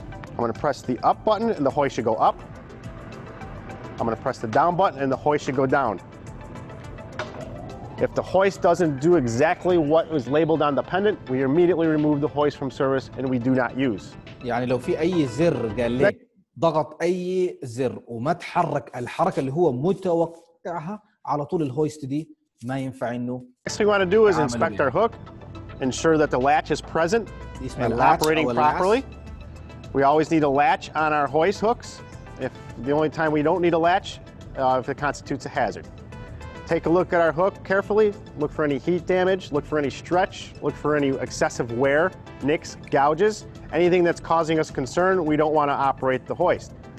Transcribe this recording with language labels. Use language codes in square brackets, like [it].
[en] I'm going to press the up button and the hoist should go up. I'm going to press the down button and the hoist should go down. If the hoist doesn't do exactly what was labeled on the pendant, we immediately remove the hoist from service and we do not use. [ar] يعني لو في اي زر قال لي ضغط اي زر وما تحرك الحركه اللي هو متوقعها على طول الهويست دي ما ينفع انه. [en] Next thing we want to do is inspect our hook, ensure that the latch is present and operating properly. We always need a latch on our hoist hooks. If the only time we don't need a latch, if it constitutes a hazard. Take a look at our hook carefully. Look for any heat damage, look for any stretch, look for any excessive wear, nicks, gouges, anything that's causing us concern, we don't want to operate the hoist.